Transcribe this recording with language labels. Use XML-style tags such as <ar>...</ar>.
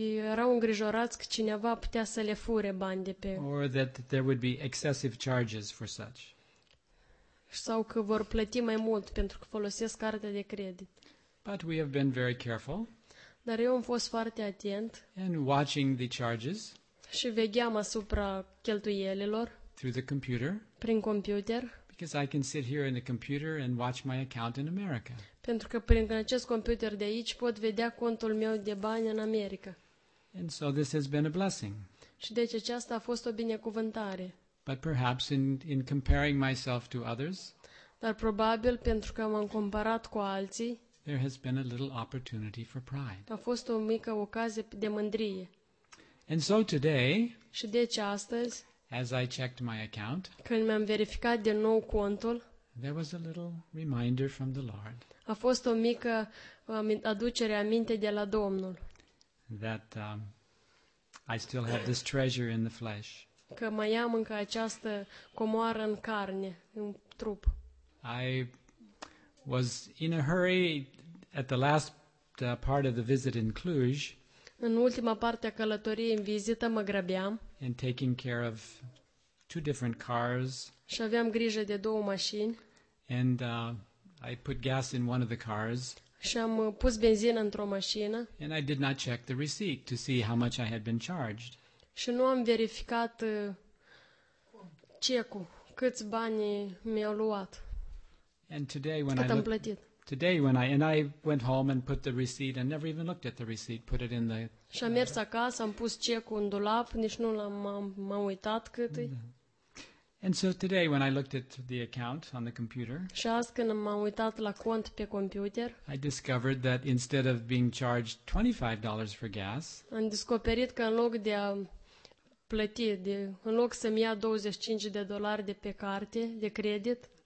<ro>Erau îngrijorați că cineva putea să le fure bani de pe.</ro> <en>Or that there would be excessive charges for such.</en> <ro>Sau că vor plăti mai mult pentru că folosesc cartea de credit.</ro> <en>But we have been very careful.</en> <ro>Dar eu am fost foarte atent.</ro> <en>And watching the charges.</en> <ro>Și vegheam asupra cheltuielilor.</ro> <en>Through the computer.</en> <ro>Prin computer.</ro> <en>Because I can sit here in the computer and watch my account in America.</en> <ro>Pentru că prin acest computer de aici pot vedea contul meu de bani în America.</ro> <en>And so this has been a blessing.</en> <ro>Și deci aceasta a fost o binecuvântare.</ro> <en>But perhaps in comparing myself to others.</en> <ro>Dar probabil pentru că m-am comparat cu alții.</ro> <en>There has been a little opportunity for pride.</en> <ro>A fost o mică ocazie de mândrie.</ro> <en>And so today.</en> <ro>Și deci astăzi.</ro> <en>As I checked my account.</en> <ro>Când mi-am verificat de nou contul.</ro> <en>There was a little reminder from the Lord.</en> <ro>A fost o mică aducere aminte de la Domnul.</ro> <en>That I still have this treasure in the flesh.</en> <ro>Că mai am încă această comoară în carne, în trup.</ro> <en>I was in a hurry at the last part of the visit in Cluj.</en> <ro>În ultima parte a călătoriei în vizită mă grăbeam.</ro> <en>And taking care of two different cars.</en> <ro>Și aveam grijă de două mașini.</ro> <en>And I put gas in one of the cars.</en> <ro>Și am pus benzină într-o mașină.</ro> <en>And I did not check the receipt to see how much I had been charged.</en> <ro>Și nu am verificat cecul, câți bani mi-au luat.</ro> <en>And today when I looked, I went home and put the receipt and never even looked at the receipt, put it in the.</en> <ro>Și am mers acasă, am pus cecul în dulap, nici nu m-am uitat cât e.</ro> <en>And so today when I looked at the account on the computer.</en> <ro>Și azi când m-am uitat la cont pe computer.</ro> <en>I discovered that instead of being charged $25 for gas.</en> <ro>Am descoperit că în loc de a plăti, în loc să-mi ia $25 de pe carte de credit.</ro>